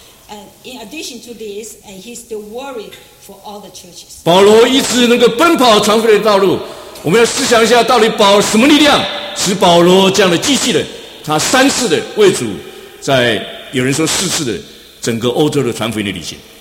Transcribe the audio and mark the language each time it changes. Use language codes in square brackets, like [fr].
[en] And in addition to this, and he's still worried for all the churches. [zh] 保罗一直能够奔跑传福音的道路。我们要思想一下，到底保什么力量使保罗这样的机器人，他三次的为主，在有人说四次的整个欧洲的传福音的旅行。